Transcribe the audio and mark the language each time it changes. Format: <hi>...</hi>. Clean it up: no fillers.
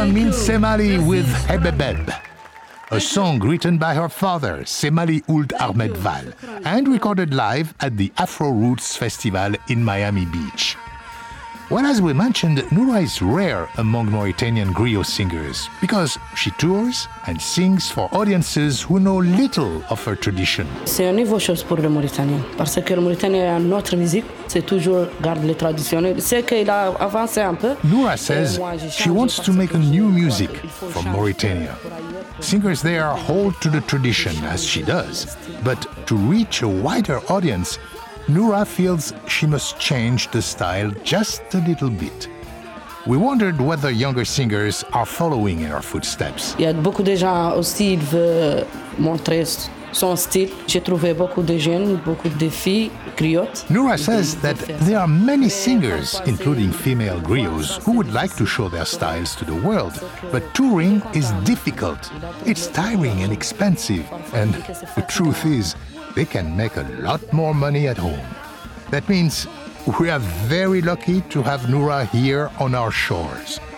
<en>Semali with Hebebeb, a song written by her father, Semali Ould Ahmed Val, and recorded live at the Afro Roots Festival in Miami Beach. Well, as we mentioned, Noura is rare among Mauritanian griot singers because she tours and sings for audiences who know little of her tradition.</en> <fr>C'est une nouvelle chose pour le Mauritanien parce que le Mauritanien a notre musique, c'est toujours garde les traditions. C'est qu'il a avancé un peu.</fr> <en>Noura says she wants to make a new music for Mauritania. Singers there hold to the tradition as she does, but to reach a wider audience, Noura feels she must change the style just a little bit. We wondered whether younger singers are following in her footsteps.</en> <fr>Il y a beaucoup de gens aussi qui veulent montrer son style. J'ai trouvé beaucoup de jeunes, beaucoup de filles griottes.</fr> <en>Noura says that there are many singers, including female griots, who would like to show their styles to the world, but touring is difficult. It's tiring and expensive, and the truth is, they can make a lot more money at home. That means we are very lucky to have Noura here on our shores.</en>